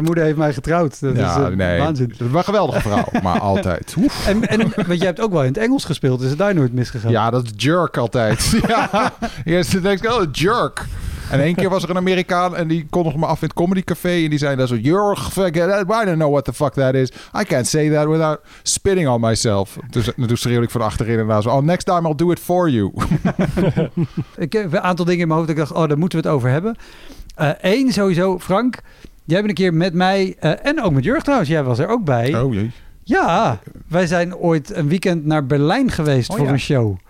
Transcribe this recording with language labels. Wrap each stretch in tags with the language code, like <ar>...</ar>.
<nl>Zijn moeder heeft mij getrouwd. Dat is waanzin. Maar een geweldige vrouw, maar altijd. Oef. En want jij hebt ook wel in het Engels gespeeld. Is het daar nooit misgegaan? Ja, dat is Jurg altijd. Ja. Eerst denk ik, oh, Jurg. En één keer was er een Amerikaan en die kondigde me af in het comedycafé. En die zei dan zo,</nl> <en>Jurg, I don't know what the fuck that is. I can't say that without spitting on myself.</en> <nl>Dus toen schreeuwde ik van achterin en daar zo,</nl> <en>oh, next time I'll do it for you.</en> <nl>Ik heb een aantal dingen in mijn hoofd. Ik dacht, oh, daar moeten we het over hebben. Eén sowieso, Frank. Jij bent een keer met mij, en ook met Jurg trouwens. Jij was er ook bij. Oh jee. Ja, wij zijn ooit een weekend naar Berlijn geweest voor een show.</nl>